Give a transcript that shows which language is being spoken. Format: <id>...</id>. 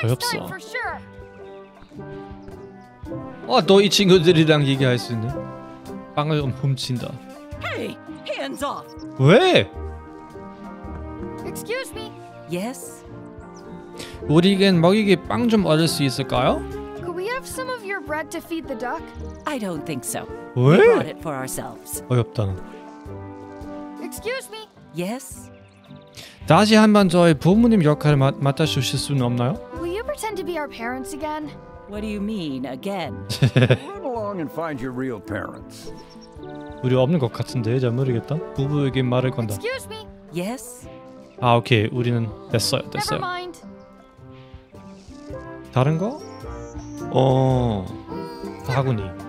<en>Next time for sure.</en> <ko>아, 너 이 친구들이랑 얘기할 수 있네. 빵을 훔친다.</ko> <en>Hey, hands off!</en> <ko>왜?</ko> <en>Excuse me. Yes.</en> <ko>우리겐 먹이기 빵 좀 얻을 수 있을까요?</ko> <en>Could we have some of your bread to feed the duck? I don't think so.</en> <ko>왜?</ko> <en>We brought it for ourselves.</en> <ko>어렵다.</ko> <en>Excuse me. Yes.</en> <ko>다시 한번 저희 부모님 역할을 맡아 주실 수는 없나요?</ko> <en>Will you pretend to be our parents again? What do you mean again? Run along and find your real parents.</en> <ko>우리 없는 것 같은데 잘 모르겠다. 부부에게 말을 건다.</ko> <en>Excuse me. Yes.</en> <ko>아, 오케이. 우리는 됐어요.</ko> <en>Never mind.</en> <ko>다른 거? 어, 바구니.</ko>